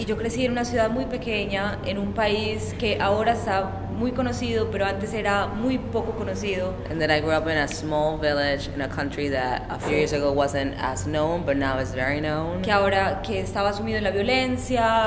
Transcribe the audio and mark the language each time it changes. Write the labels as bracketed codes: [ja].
[es] Y yo crecí en una ciudad muy pequeña, en un país que ahora está muy conocido, pero antes era muy poco conocido. [en] And then I grew up in a small village in a country that a few years ago wasn't as known, but now is very known. [es] Que ahora que estaba sumido en la violencia.